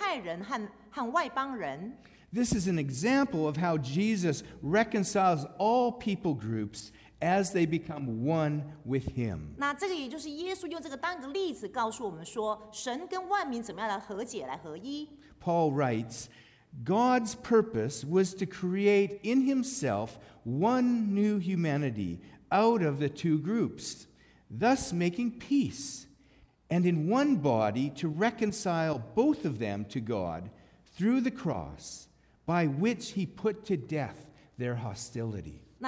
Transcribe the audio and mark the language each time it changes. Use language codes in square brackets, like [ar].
[zh] 那在这里例子里面保罗使用耶稣怎么样去和解犹太人和外邦人。 [en] This is an example of how Jesus reconciles all people groups as they become one with him. [zh] 那这个也就是耶稣用这个当个例子告诉我们说神跟万民怎么样来和解来合一。 [en] Paul writes, God's purpose was to create in himself one new humanity out of the two groups, thus making peace, and in one body to reconcile both of them to God through the cross by which he put to death their hostility.